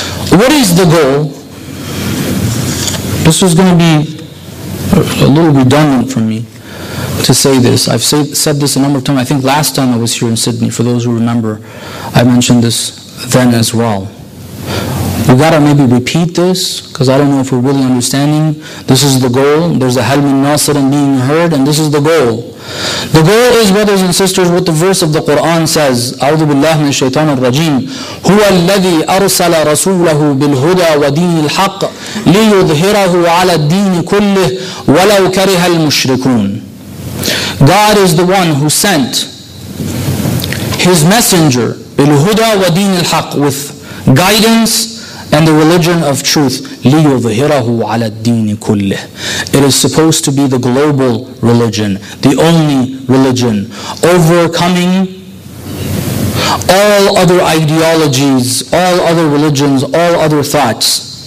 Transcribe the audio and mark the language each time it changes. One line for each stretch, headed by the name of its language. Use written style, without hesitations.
English: What is the goal? This is going to be a little redundant for me to say this. I've said this a number of times. I think last time I was here in Sydney, for those who remember, I mentioned this then as well. We gotta maybe repeat this, because I don't know if we're really understanding. This is the goal. There's a Hal min Nasirin being heard, and this is the goal. The goal is, brothers and sisters, what the verse of the Quran says,
Arabic: أعوذ بالله من الشيطان الرجيم هو الذي أرسل رسوله بالهدى ودين الحق ليظهره على الدين كله ولو كره المشركون.
English: God is the one who sent His messenger
Arabic: بالهدى ودين الحق,
English: with guidance and the religion of truth,
Arabic: لِيُظْهِرَهُ عَلَى الدِّينِ كُلِّهِ.
English: It is supposed to be the global religion, the only religion, overcoming all other ideologies, all other religions, all other thoughts.